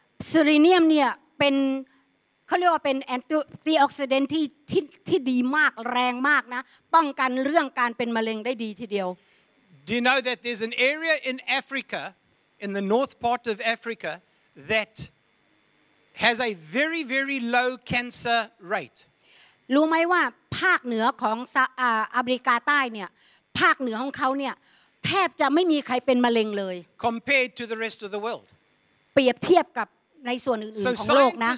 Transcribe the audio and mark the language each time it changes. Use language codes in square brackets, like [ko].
[th] Selenium เนี่ยเป็นเขาเรียกว่าเป็น antioxidant ที่ดีมากแรงมากนะป้องกันเรื่องการเป็นมะเร็งได้ดีทีเดียว [en] Do you know that there's an area in Africa, in the north part of Africa, that has a very, very low cancer rate? [th] รู้ไหมว่าภาคเหนือของอเมริกาใต้เนี่ยภาคเหนือของเขาเนี่ยแทบจะไม่มีใครเป็นมะเร็งเลย [en] compared to the rest of the world [th] เปรียบเทียบกับในส่วนอื่นๆของโลกนะ